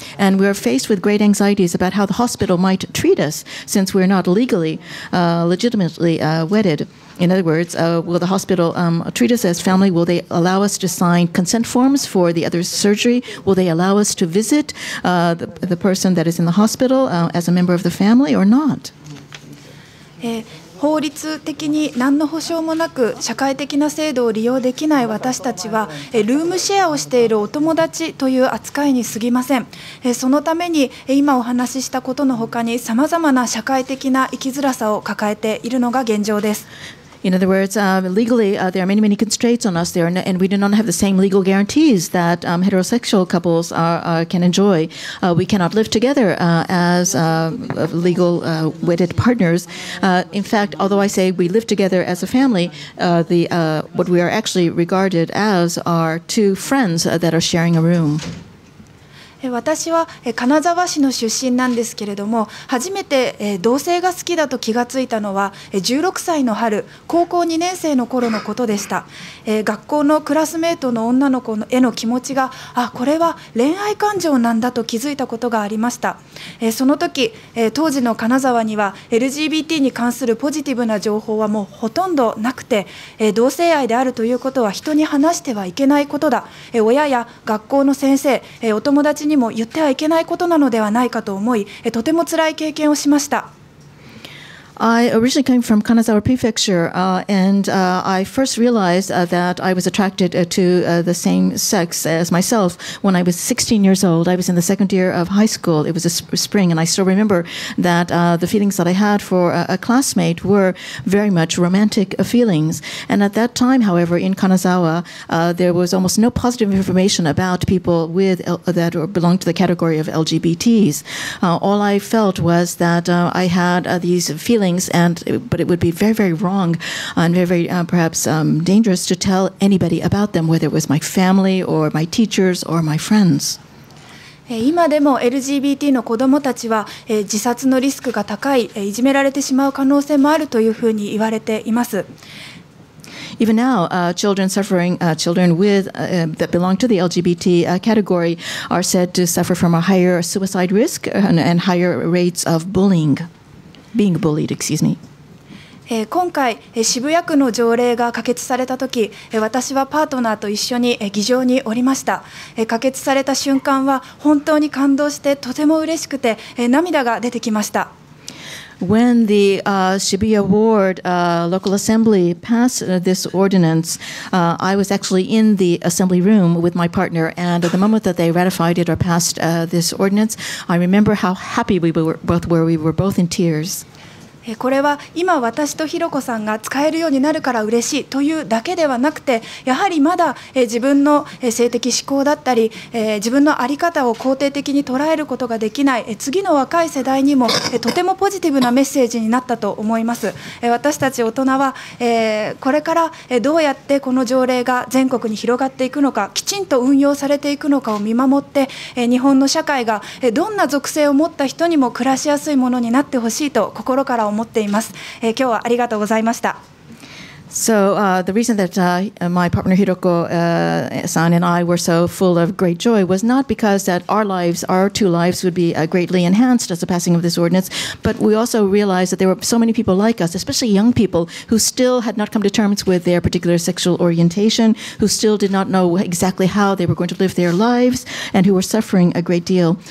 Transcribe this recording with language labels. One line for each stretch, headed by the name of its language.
English: And we are faced with great anxieties about how the hospital might treat us since we're not legally, legitimately wedded. In other words, will the hospital treat us as family? Will they allow us to sign consent forms for the other's surgery? Will they allow us to visit the person that is in the hospital as a member of the family or not?
Japanese: 法律的に何の保障もなく社会的な制度を利用できない私たちは、ルームシェアをしているお友達という扱いに過ぎません。そのために今お話ししたことのほかに、さまざまな社会的な生きづらさを抱えているのが現状です。
English: In other words, legally, there are many, many constraints on us there, and we do not have the same legal guarantees that heterosexual couples can enjoy. We cannot live together as legal wedded partners. In fact, although I say we live together as a family, what we are actually regarded as are two friends that are sharing a room.
Japanese: 私は金沢市の出身なんですけれども、初めて同性が好きだと気がついたのは、16歳の春、高校2年生の頃のことでした。学校のクラスメートの女の子への気持ちが、あ、これは恋愛感情なんだと気づいたことがありました。その時、当時の金沢には LGBT に関するポジティブな情報はもうほとんどなくて、同性愛であるということは人に話してはいけないことだ。親や学校の先生、お友達にも言ってはいけないことなのではないかと思い、とても辛い経験をしました。
English: I originally came from Kanazawa Prefecture, I first realized that I was attracted to the same sex as myself when I was 16 years old. I was in the second year of high school. It was a spring, and I still remember that the feelings that I had for a classmate were very much romantic feelings. And at that time, however, in Kanazawa, there was almost no positive information about people with that or belonged to the category of LGBTs. All I felt was that I had these feelings, but it would be very, very wrong and very, very perhaps dangerous to tell anybody about them, whether it was my family or my teachers or my friends.
Japanese: 今でも LGBT の子どもたちは自殺のリスクが高い、いじめられてしまう可能性もあるというふうに言われています。
English: Even now, children suffering, children with, that belong to the LGBT category are said to suffer from a higher suicide risk and higher rates of bullying, being bullied, excuse me.
Japanese: 今回渋谷区の条例が可決された時、私はパートナーと一緒に議場におりました。可決された瞬間は本当に感動してとても嬉しくて涙が出てきました。
English: When the Shibuya Ward local assembly passed this ordinance, I was actually in the assembly room with my partner, and at the moment that they ratified it or passed this ordinance, I remember how happy we were both were. We were both in tears.
Japanese: これは今私とひろこさんが使えるようになるから嬉しいというだけではなくて、やはりまだ自分の性的指向だったり自分の在り方を肯定的に捉えることができない次の若い世代にもとてもポジティブなメッセージになったと思います。私たち大人はこれからどうやってこの条例が全国に広がっていくのか、きちんと運用されていくのかを見守って、日本の社会がどんな属性を持った人にも暮らしやすいものになってほしいと心から思っています。今日はありがとうございました。
English: So, the reason that my partner Hiroko san and I were so full of great joy was not because that our lives, our two lives, would be greatly enhanced as the passing of this ordinance, but we also realized that there were so many people like us, especially young people, who still had not come to terms with their particular sexual orientation, who still did not know exactly how they were going to live their lives, and who were suffering a great deal.